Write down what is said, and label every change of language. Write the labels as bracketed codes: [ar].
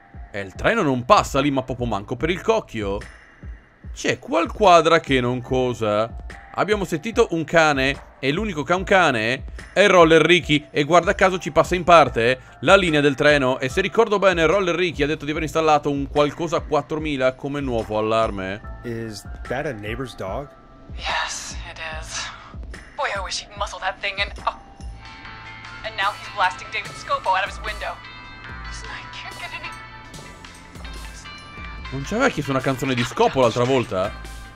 [it] E il treno non passa lì, ma proprio manco per il cocchio. C'è qualquadra che non cosa. Abbiamo sentito un cane. E l'unico che ha un cane è Roller Ricky. E guarda caso ci passa in parte la linea del treno. E se ricordo bene, Roller Ricky ha detto di aver installato un qualcosa a 4000 come nuovo allarme. [en] Is that a neighbor's dog? Yes, it is. Boy, I wish he'd muzzle that thing and... Oh. And now he's blasting David Scopo out of his window. I can't get any... [it] Non ci aveva chiesto una canzone di Scopo l'altra volta?